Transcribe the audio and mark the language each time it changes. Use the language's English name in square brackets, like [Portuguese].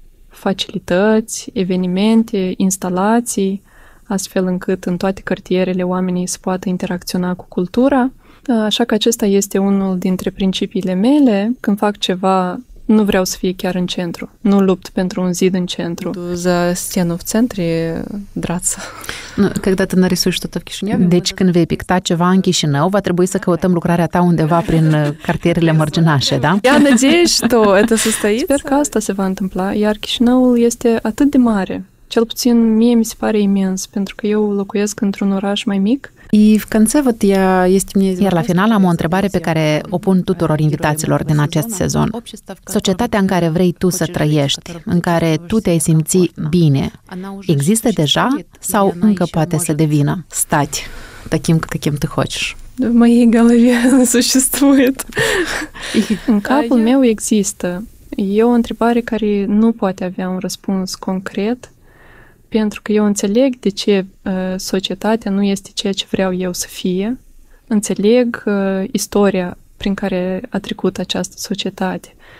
[Romanian] Facilități, evenimente, instalații, astfel încât în toate cartierele oamenii se poată interacționa cu cultura. Așa că acesta este unul dintre principiile mele. Când fac ceva, nu vreau să fie chiar în centru. Nu lupt pentru un zid în centru. [Russian] За стену в центре драться. Ну, когда ты нарисуешь что-то в Кишиневе? [Romanian] Deci când vei picta ceva în Chișinău, va trebui să căutăm lucrarea ta undeva prin cartierele mărginașe, da? [Russian] Я надеюсь, что это состоится. [Romanian] Sper că asta se va întâmpla, iar Chișinăul este atât de mare. Cel puțin mie mi se pare imens, pentru că eu locuiesc într-un oraș mai mic. Iar la final am o întrebare pe care o pun tuturor invitațiilor din acest sezon. Societatea în care vrei tu să trăiești, în care tu te-ai simți bine, există deja sau încă poate să devină? Stați, [Russian] таким, каким ты хочеш. В моей голове существует. [Romanian] În capul meu există. E o întrebare care nu poate avea un răspuns concret. Pentru că eu înțeleg de ce societatea nu este ceea ce vreau eu să fie. Înțeleg istoria prin care a trecut această societate.